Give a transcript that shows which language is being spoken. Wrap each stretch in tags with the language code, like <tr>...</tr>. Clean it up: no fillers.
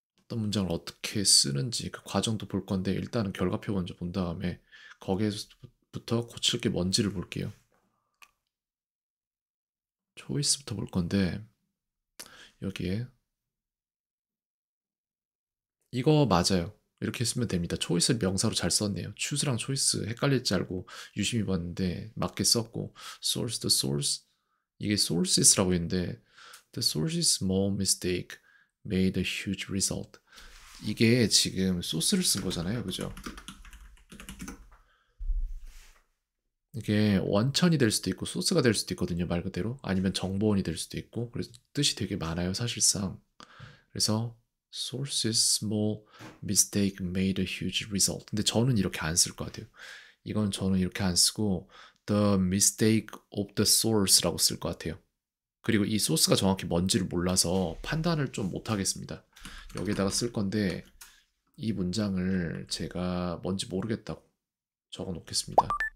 <ko>어떤 문장을 어떻게 쓰는지 그 과정도 볼 건데 일단은 결과표 먼저 본 다음에 거기에서부터 고칠 게 뭔지를 볼게요. 초이스부터 볼 건데 여기에 이거 맞아요. 이렇게 쓰면 됩니다. 초이스 명사로 잘 썼네요.</ko> <en>choose랑 choice</en> <ko>헷갈릴지 알고 유심히 봤는데 맞게 썼고</ko> <en>source the source 이게 sources라고 했는데 the source is small mistake made a huge result.</en> <ko>이게 지금 소스를 쓴 거잖아요, 그죠? 이게 원천이 될 수도 있고 소스가 될 수도 있거든요, 말 그대로. 아니면 정보원이 될 수도 있고. 그래서 뜻이 되게 많아요, 사실상. 그래서</ko> <en>sources small mistake made a huge result.</en> <ko>근데 저는 이렇게 안쓸것 같아요. 이건 저는 이렇게 안 쓰고</ko> <en>the mistake of the source</en> <ko>라고 쓸것 같아요. 그리고 이 소스가 정확히 뭔지를 몰라서 판단을 좀 못하겠습니다. 여기에다가 쓸 건데, 이 문장을 제가 뭔지 모르겠다고 적어 놓겠습니다.</ko>